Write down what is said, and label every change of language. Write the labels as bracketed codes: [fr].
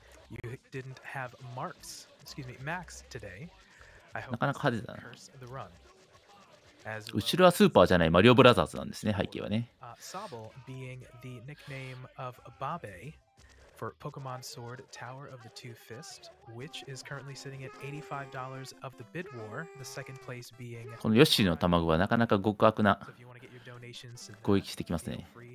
[en] You didn't have marks, excuse me, max today. [ja] なかなか派手だな。後ろはスーパーじゃないマリオブラザーズなんですね、背景はね。 [en] サボ being the nickname of Babe for Pokemon Sword Tower of the Two Fist, which is currently sitting at $85 of the bid war, the second place being. [ja] このヨッシーの卵はなかなか極悪な攻撃してきますね。